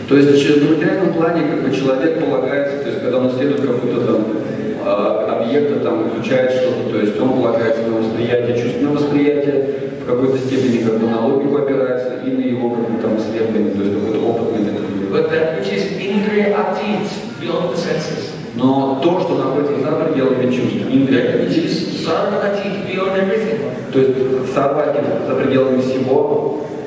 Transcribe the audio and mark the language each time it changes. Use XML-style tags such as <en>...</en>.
<ru>То есть через материальном плане как бы человек полагается, то есть когда он исследует какой-то там объект, там изучает что-то, то есть он полагается на восприятие, чувственное восприятие, в какой-то степени как бы на логику опирается и на его как бы там исследование, то есть какой-то опытный метод.</ru> <en>But that which is indriya atit, beyond the senses.</en> <ru>Но то, что находится за пределами чувств, индрия, то есть сарватхи за пределами всего,</ru>